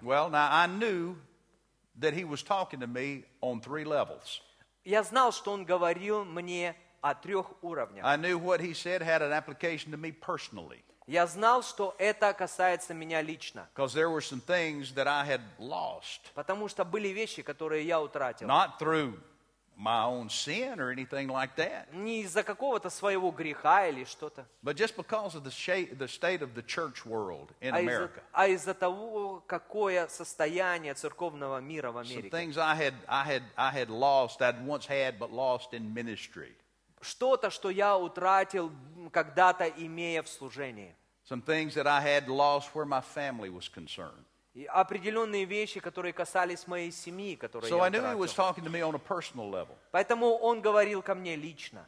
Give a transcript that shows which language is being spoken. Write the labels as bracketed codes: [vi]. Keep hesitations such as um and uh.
[en] Well, now I knew that he was talking to me on three levels. [ru] Я знал, что он говорил мне о трех уровнях. [en] I knew what he said had an application to me personally. [ru] Я знал, что это касается меня лично. [en] There were some that I had lost. [ru] Потому что были вещи, которые я утратил. [en] Not through my own sin or anything like that. [ru] Не из-за какого-то своего греха или что-то. [en] But just because of the shape, the state of the church world in America. [ru] А из-за того, какое состояние церковного мира в Америке. [en] Some things I had, I had, I had lost. I'd once had, but lost in ministry. [ru] Что-то, что я утратил когда-то, имея в служении. [en] Some things that I had lost where my family was concerned. [ru] И определенные вещи, которые касались моей семьи, которые so я Поэтому он говорил ко мне лично.